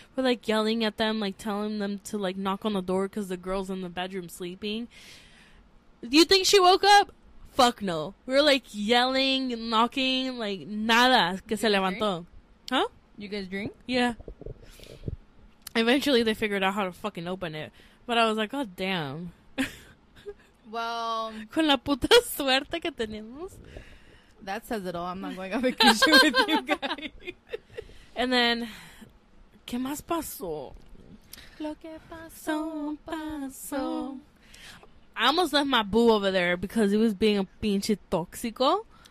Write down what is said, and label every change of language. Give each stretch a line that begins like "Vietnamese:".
English: We're like yelling at them, like telling them to like knock on the door because the girl's in the bedroom sleeping. Do you think she woke up? Fuck no. We were like yelling, knocking, like
Spanish: nada que se levantó.
English: Huh? You guys drink? Yeah. Eventually they figured out how to fucking open it. But I was like, god damn. Well.
Spanish: Con la puta suerte que tenemos.
English: That says it all. I'm not going on vacation with you guys. And then,
Spanish: ¿qué más pasó? Lo que pasó, pasó.
English: I almost left my boo over there because he was being a
Spanish: pinche toxico.